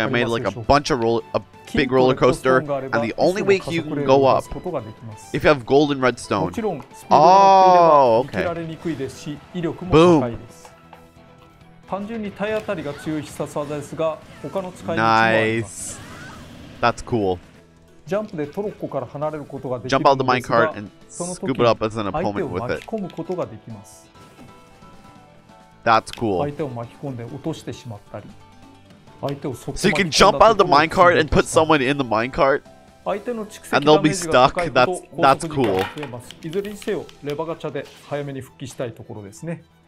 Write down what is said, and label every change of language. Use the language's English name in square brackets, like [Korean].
[English] I made like a bunch of a big roller coaster, and the only way you can go up if you have gold and redstone. [Japanese] もちろんスピードが低ければ受けられにくいですし、威力も高いです。 [English] Boom. [Japanese] 単純に体当たりが強い必殺技ですが、他の使い道もあります。 [English] That's cool. [Japanese] ジャンプでトロッコから離れることができるんですが、その時相手を巻き込むことができます。 [English] That's cool. [Japanese] 相手を巻き込んで落としてしまったり、相手をそこまで。 [English] So you can jump out of the minecart and put someone in the minecart. [Japanese] 相手の蓄積ダメージが高いこと、 [English] That's cool. [Japanese] いずれにせよレバガチャで早めに復帰したいところですね。